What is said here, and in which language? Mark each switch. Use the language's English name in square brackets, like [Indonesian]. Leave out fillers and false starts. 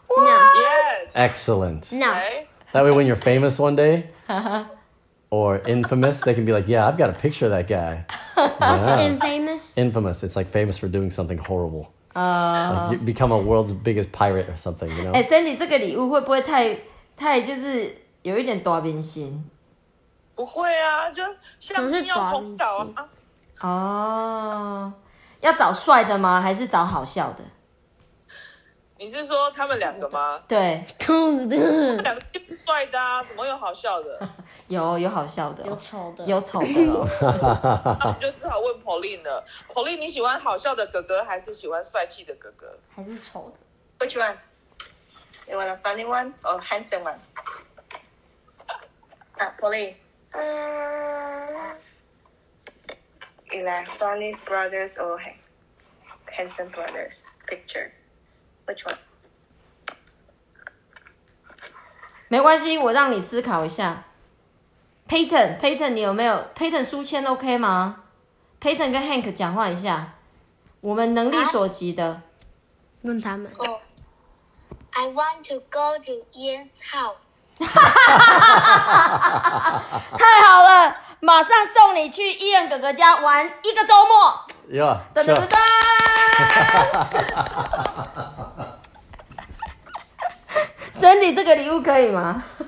[English] What? Yes. Excellent. No. That way when you're famous one day or infamous, they can be like, yeah, I've got a picture of that guy. What's infamous? Infamous. It's like famous for doing something horrible. Like、 you become a world's biggest pirate or something, you know? Hey, Sandy, this gift [Chinese] 会不会太就是有一点大明星？不会啊，就像是要重蹈啊。要找帅的吗？还是找好笑的？你是说他们两个吗？对，兔子，两个帅的啊，什么有好笑的？有好笑的，有丑的，有丑的。那我们就只好问 Pauline 了。Pauline， 你喜欢好笑的哥哥，还是喜欢帅气的哥哥？还是丑的 [English] ？Which one? You want a funny one or handsome one? Pauline. You like funny brothers or handsome brothers? Picture. Which one? [Chinese] 没关系，我让你思考一下。Peyton， 你有没有 Peyton 书签 OK 吗 ？Peyton 跟 Hank 讲话一下，我们能力所及的，问他们。 [English] Oh, I want to go to Ian's house. [Chinese] 太好了，马上送你去 Ian 哥哥家玩一个周末。 [English] Yeah，噔噔噔噔。 [Chinese] Sandy， 这个礼物可以吗？